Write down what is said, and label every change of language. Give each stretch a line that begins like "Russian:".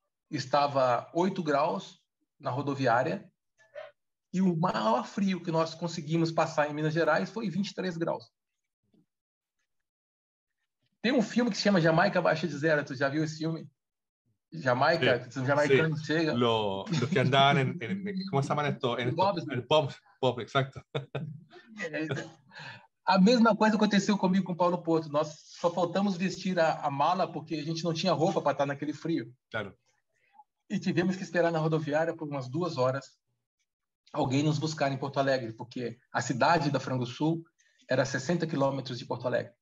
Portuguese: estava 8 graus na rodoviária e o maior frio que nós conseguimos passar em Minas Gerais foi 23 graus. Tem um filme que se chama Jamaica abaixo de zero. Tu já viu esse filme? Jamaica, os
Spanish: Sí,
Portuguese: jamaicanos chegam.
Spanish: los que andaban ¿cómo se llama esto? En esto,
English: Bobsled.
Spanish: el pop, exacto.
Portuguese: A mesma coisa aconteceu comigo com o Paulo Porto. Nós só faltamos vestir a mala porque a gente não tinha roupa para estar naquele frio.
Spanish: Claro.
Portuguese: E tivemos que esperar na rodoviária por umas 2 horas alguém nos buscar em Porto Alegre, porque a cidade da Frango Sul era 60 quilômetros de Porto Alegre.